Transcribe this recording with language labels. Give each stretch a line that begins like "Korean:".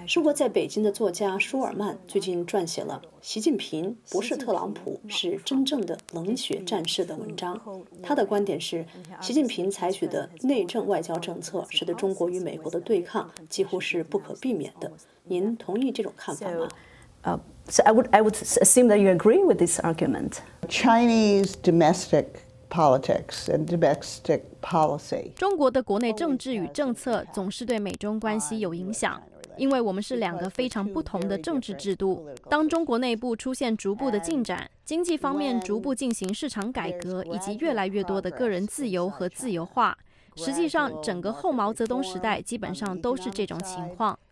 Chinese: 生活在北京的作家舒尔曼最近撰写了《习近平不是特朗普，是真正的冷血战士》的文章。他的观点是，习近平采取的内政外交政策使得中国与美国的对抗几乎是不可避免的。您同意这种看法吗？
English: So I would assume that you agree with this argument. Chinese domestic. Politics and domestic policy.
Chinese: 中国的国内政治与政策总是对美中关系有影响，因为我们是两个非常不同的政治制度。当中国内部出现逐步的进展，经济方面逐步进行市场改革，以及越来越多的个人自由和自由化，实际上整个后毛泽东时代基本上都是这种情况。